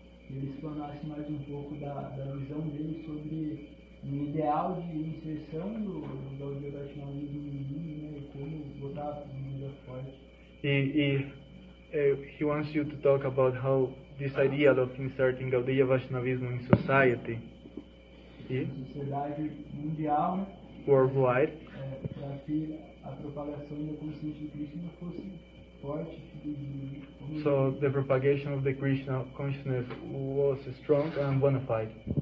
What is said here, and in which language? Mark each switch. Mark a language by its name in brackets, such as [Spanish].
[Portuguese] ele explanasse mais um pouco da visão dele sobre um ideal de inserção do geodatinalismo no mundo, né, e como botar tudo mais forte. [English] He wants you to talk about how this idea of inserting Gaudiya Vaishnavismo in society, [Portuguese] sociedade mundial, [English] worldwide, [Portuguese] para que a propagação da consciência de Krishna fosse forte. [English] So the propagation of the Krishna consciousness was strong and bona fide.